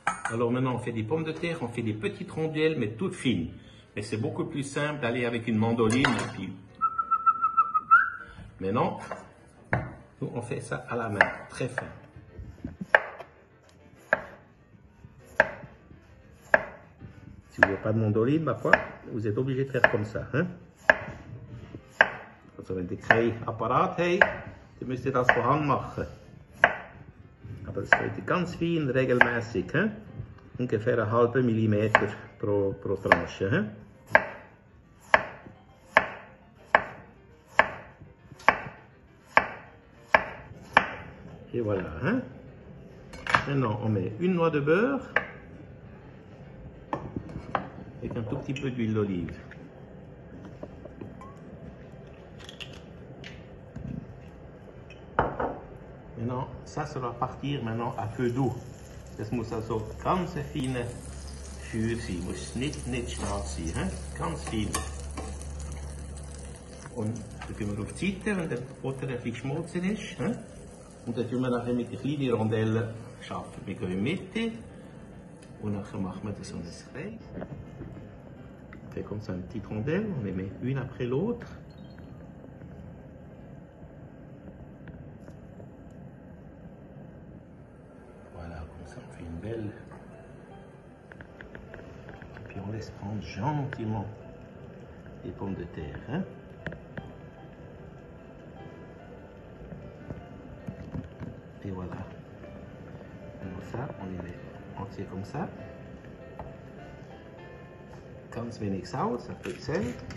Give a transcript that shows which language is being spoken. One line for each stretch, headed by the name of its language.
French: Alors maintenant, on fait des pommes de terre, on fait des petites rondelles, mais toutes fines. Mais c'est beaucoup plus simple d'aller avec une mandoline. Et puis... Maintenant, nous on fait ça à la main, très fin. Si vous n'avez pas de mandoline, ma foi, vous êtes obligé de faire comme ça. Hein?
German: Also, wenn die kein Apparat haben, dann müsst ihr das von Hand machen. Aber das sollte ganz fein, regelmäßig. Hein? Ungefähr einen halben Millimeter pro Tranche. Hein?
French: Et voilà. Hein? Maintenant, on met une noix de beurre avec un tout petit peu d'huile d'olive. Maintenant, ça sera partir maintenant à feu doux.
German: Das muss also ganz feine Feuer sein. Muss nicht schwarz sein. Hein? Ganz fein. Und dann gehen wir auf die Seite, wenn der Butter ein bisschen schmolzen ist. Hein? Und dann tun wir nachher mit den kleinen Rondellen schaffen. Wir gehen in die Mitte und nachher machen wir das so ein Kreis. Dann kommt so eine
French: petite Rondelle, on les met une après l'autre. Voilà, comme ça on fait une belle. Et puis on laisse prendre gentiment les pommes de terre. Hein? Et voilà. Maintenant ça, on les met entier comme ça.
German: Ganz wenig Salz, ein bisschen.